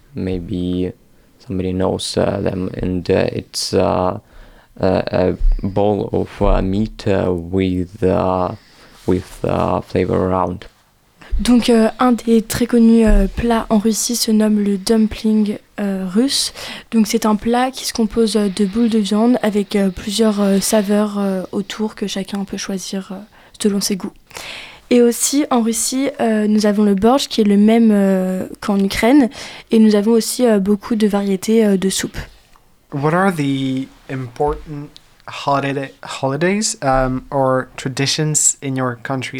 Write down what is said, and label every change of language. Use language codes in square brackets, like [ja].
[en] Maybe somebody knows them. And it's a bowl of meat with flavor around. [fr] Donc, un des très connus plats en Russie se nomme le dumpling russe. Donc, c'est un plat qui se compose de boules de viande avec plusieurs saveurs autour que chacun peut choisir selon ses goûts. Et aussi, en Russie, nous avons le borscht qui est le même qu'en Ukraine. Et nous avons aussi beaucoup de variétés de soupes. [en] What are the important holidays or traditions in your country?